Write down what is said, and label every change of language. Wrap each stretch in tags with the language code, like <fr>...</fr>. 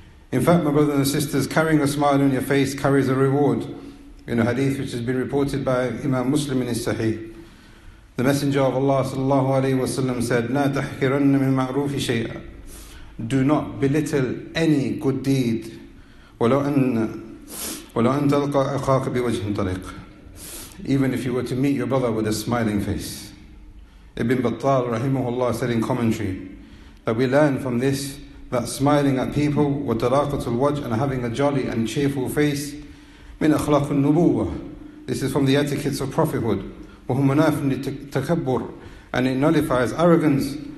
<en>In fact, my brothers and sisters, carrying a smile on your face carries a reward. In a hadith which has been reported by Imam Muslim in his Sahih, the Messenger of Allah sallallahu alayhi wa sallam said,</en> <ar>لا تحقرن من معروف شيئا.</ar> <en>Do not belittle any good deed.</en> <ar>ولو أن تلقى أخاك بوجه طريق.</ar> <en>Even if you were to meet your brother with a smiling face. Ibn Battal rahimahullah said in commentary that we learn from this that smiling at people</en> <ar>wa taraqatul wajh</ar> <en>and having a jolly and cheerful face</en> <ar>min akhlaqun nubuwwah.</ar> <en>This is from the etiquettes of prophethood.</en> <ar>Wa hum munafin litakabbur,</ar> <en>and it nullifies arrogance.</en>